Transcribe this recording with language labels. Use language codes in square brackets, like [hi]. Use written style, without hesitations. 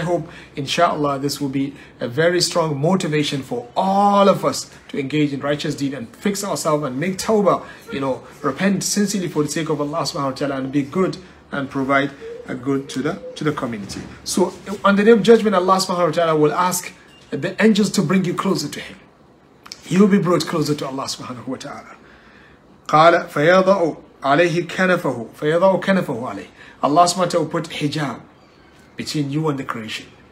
[en] And I hope, inshallah, this will be a very strong motivation for all of us to engage in righteous deed and fix ourselves and make tawbah, you know, repent sincerely for the sake of Allah subhanahu wa ta'ala and be good and provide a good to the community. So on the day of judgment, Allah subhanahu wa ta'ala will ask the angels to bring you closer to him. You'll be brought closer to Allah subhanahu wa ta'ala. [ar] قال فيضع عليه كنفه فيضع كنفه عليه. [en] Allah subhanahu wa ta'ala will put hijab between you and the creation.